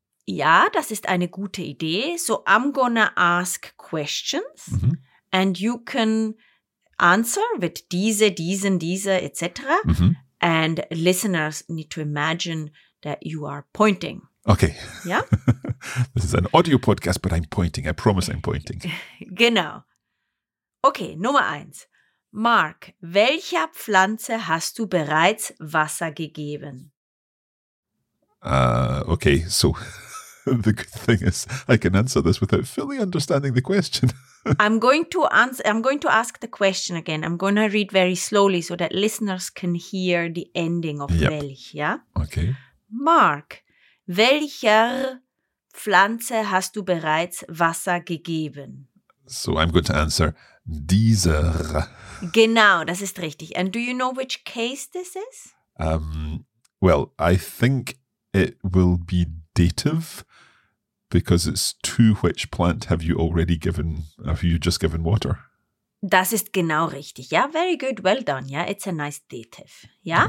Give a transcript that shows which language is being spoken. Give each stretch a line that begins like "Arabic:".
German: Ja, das ist eine gute Idee.
English: So I'm gonna ask questions and you can answer with diese, diesen, diese, etc. And listeners need to imagine that you are pointing. Okay. Yeah? This is an audio podcast, but I'm pointing. I promise I'm pointing.
German: Genau. Okay, Nummer eins. Mark, welcher Pflanze hast du bereits Wasser gegeben?
English: Okay, so the good thing is I can answer this without fully understanding the question. I'm going to ask the question again. I'm going to read very slowly so that listeners can hear the ending of welch, yeah? Okay.
German: Mark, welcher Pflanze hast du bereits Wasser gegeben?
English: So I'm going to answer dieser.
German: Genau, das ist richtig.
English: And do you know which case this is? Well, I think it will be dative because it's to which plant have you just given water?
German: Das ist genau richtig.
English: Yeah, very good. Well done. Yeah, it's a nice dative. Yeah.